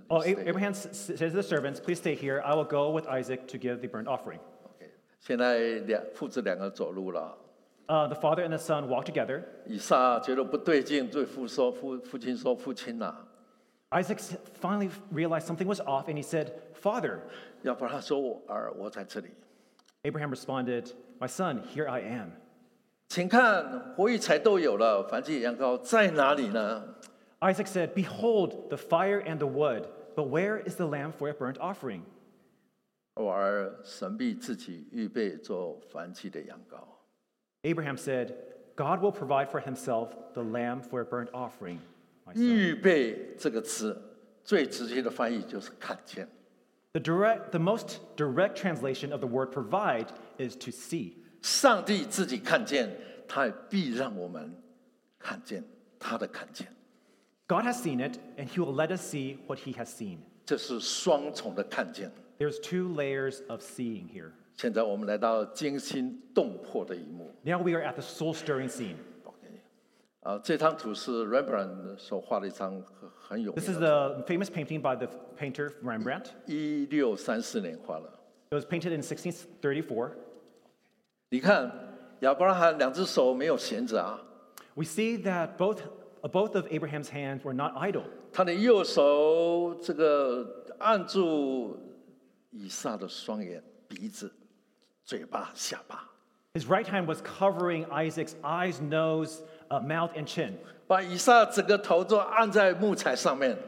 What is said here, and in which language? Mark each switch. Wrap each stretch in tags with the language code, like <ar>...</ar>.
<en>Oh, Abraham says to the servants, "Please stay here. I will go with Isaac to give the burnt offering." Okay.</en> <zh>现在两父子两个走路了。</zh> <en>The father and the son walk together.</en> <zh>以撒觉得不对劲，对父说：“父亲说，父亲呐。”</zh> <en>Isaac finally realized something was off, and he said, "Father."</en> <zh>亚伯拉罕说：“我在这里。”</zh> <en>Abraham responded, "My son, here I am."</en> <zh>请看，火与柴都有了，燔祭羊羔在哪里呢？</zh> <en>Isaac said, "Behold, the fire and the wood, But where is the lamb for a burnt offering?</en> <zh>而神必自己预备做燔祭的羊羔。</zh> <en>Abraham said, God will provide for himself the lamb for a burnt offering.</en> <zh>预备这个词最直接的翻译就是看见。</zh> <en>The most direct translation of the word provide is to see.</en> <zh>上帝自己看见，他也必让我们看见他的看见。</zh> <en>God has seen it, and he will let us see what he has seen.</en> <zh>这是双重的看见。</zh> <en>There's two layers of seeing here.</en> <zh>现在我们来到惊心动魄的一幕。</zh> <en>Now we are at the soul-stirring scene. Okay.</en> <zh>这张图是 Rembrandt 所画的一张很有名的。</zh> <en>This is a famous painting by the painter Rembrandt.</en> <zh>1634年画了。</zh> <en>It was painted in 1634.</en> <zh>你看，亚伯拉罕两只手没有闲着啊。</zh> <en>We see that both of Abraham's hands were not idle.</en> <zh>他的右手这个按住。以撒的双眼、鼻子、嘴巴、下巴。</zh> <en>His right hand was covering Isaac's eyes, nose, mouth, and chin.</en> <zh>把以撒整个头都按在木材上面。</zh>